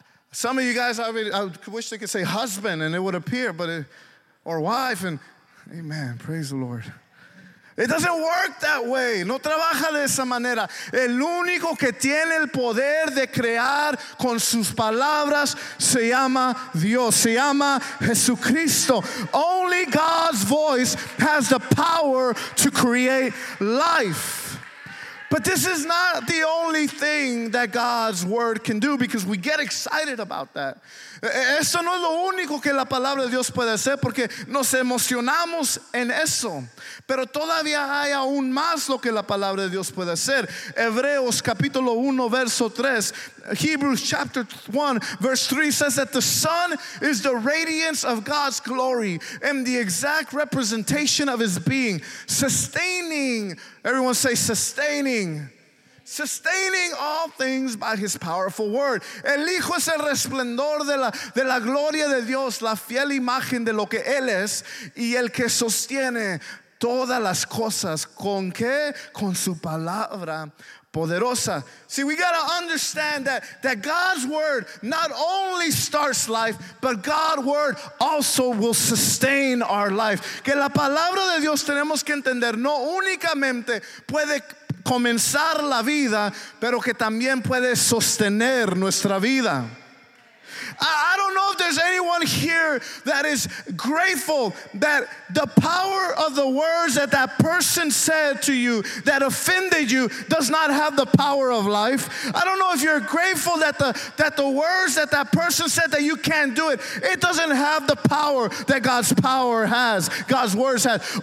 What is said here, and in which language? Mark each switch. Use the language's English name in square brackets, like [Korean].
[English] Some of you guys, I wish they could say husband and it would appear, but or wife, and amen, praise the Lord. It doesn't work that way. [Spanish] No trabaja de esa manera. El único que tiene el poder de crear con sus palabras se llama Dios. Se llama Jesucristo. [English] Only God's voice has the power to create life. But this is not the only thing that God's word can do, because we get excited about that. [Spanish] Eso no es lo único que la palabra de Dios puede hacer, porque nos emocionamos en eso. Pero todavía hay aún más lo que la palabra de Dios puede hacer. Hebreos capítulo 1 verso 3. [English] Hebrews chapter 1 verse 3 says that the Son is the radiance of God's glory and the exact representation of his being, sustaining, everyone say sustaining. Sustaining all things by his powerful word. [Spanish] El Hijo es el resplandor de la gloria de Dios, la fiel imagen de lo que él es, y el que sostiene todas las cosas. ¿Con qué? Con su palabra poderosa. [English] See, we got to understand that God's word not only starts life, but God's word also will sustain our life. [Spanish] Que la palabra de Dios tenemos que entender no únicamente puede comenzar la vida, pero que también puede sostener nuestra vida. [English] I don't know if there's anyone here that is grateful that the power of the words that person said to you that offended you does not have the power of life. I don't know if you're grateful that the words that person said that you can't do it, it doesn't have the power that God's power has, God's words has.